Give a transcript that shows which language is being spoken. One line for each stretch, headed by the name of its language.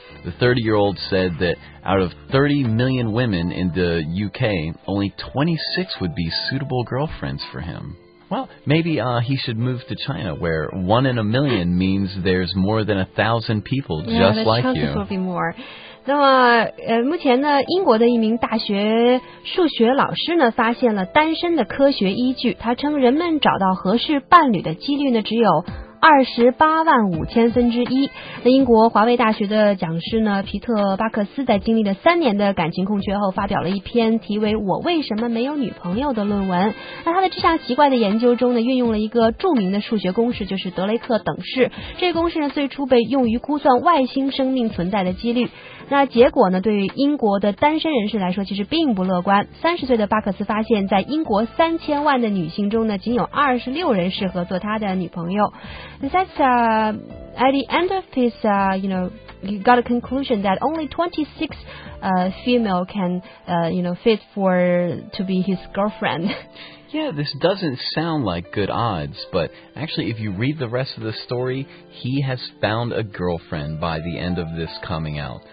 English: The 30-year-old said that out of 30 million women in the UK, only 26 would be suitable girlfriends for him. Well, maybe he should move to China, where 1 in 1 million means there's more than 1,000 people just like you. Yeah, the chances will be more.
Chinese: 那么，目前呢，英国的一名大学数学老师呢，发现了单身的科学依据。他称，人们找到合适伴侣的几率呢，只有285,000分之1。那英国华威大学的讲师呢，皮特·巴克斯在经历了3年的感情空缺后，发表了一篇题为《我为什么没有女朋友》的论文。那他的这项奇怪的研究中呢，运用了一个著名的数学公式，就是德雷克等式。这个公式呢，最初被用于估算外星生命存在的几率。那结果呢，对于英国的单身人士来说，其实并不乐观。 30岁的巴克斯发现，在英国3000万的女性中呢，仅有26人适合做他的女朋友。
English: That's at the end of his, you got a conclusion that only 26 female can, fit to be his girlfriend. Yeah, this doesn't sound like good odds, but actually if you read the rest of the story, he has found a girlfriend by the end of this coming out.